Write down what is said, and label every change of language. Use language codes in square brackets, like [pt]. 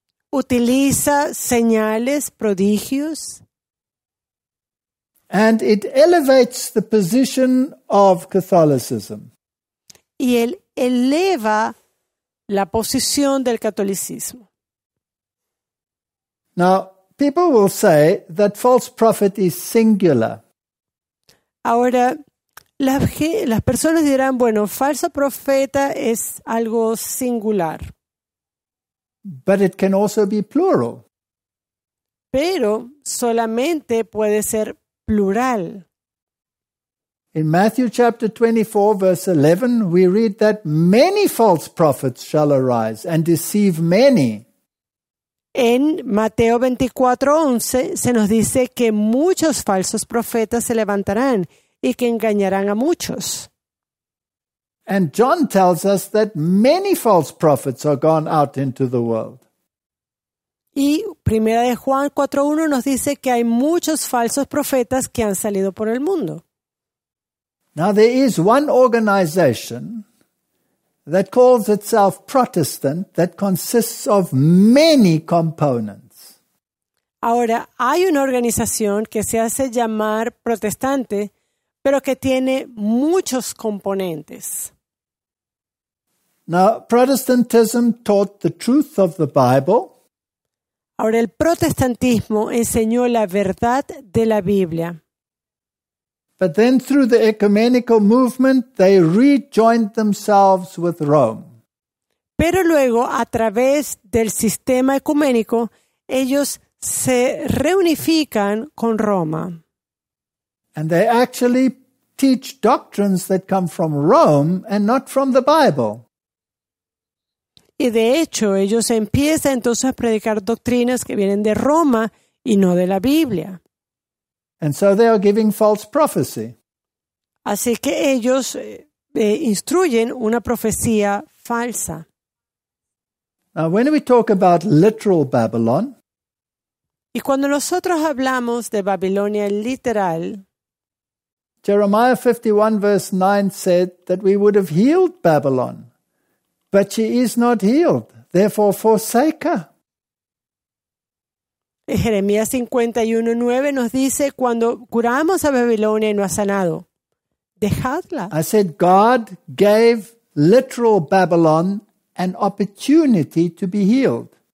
[es] Utiliza señales, prodigios. [en] And it elevates the position of Catholicism. [es] Y él eleva la posición del catolicismo. [en] Now, people will say that false prophet is singular. [es] Ahora, las personas dirán, bueno, falso profeta es algo singular. [en] But it can also be plural. [es] Pero solamente puede ser plural. [en] In Matthew chapter 24, verse 11, we read that many false prophets shall arise and deceive many. [es] En Mateo 24:11 se nos dice que muchos falsos profetas se levantarán y que engañarán a muchos. [en] And John tells us that many false prophets are gone out into the world. [es] Y Primera de Juan 4:1 nos dice que hay muchos falsos profetas que han salido por el mundo. [en] Now there is one organization that calls itself Protestant, that consists of many components. [es] Ahora, hay una organización que se hace llamar protestante, pero que tiene muchos componentes. [en] Now, Protestantism taught the truth of the Bible. [es] Ahora, el protestantismo enseñó la verdad de la Biblia. [en] But then through the ecumenical movement, they rejoined themselves with Rome. [es] Pero luego, a través del sistema ecuménico, ellos se reunifican con Roma. [en] And they actually teach doctrines that come from Rome and not from the Bible. [es] Y de hecho, ellos empiezan entonces a predicar doctrinas que vienen de Roma y no de la Biblia. [en] And so they are giving false prophecy. [es] Así que ellos instruyen una profecía falsa. [en] Now, when we talk about literal Babylon, [es] y cuando nosotros hablamos de Babilonia literal, [en] Jeremiah 51 verse 9 said that we would have healed Babylon, but she is not healed, therefore forsake her. [es] Jeremías 51:9 nos dice, cuando curamos a Babilonia y no ha sanado, dejadla. [en] I said God gave literal Babylon an opportunity to be healed.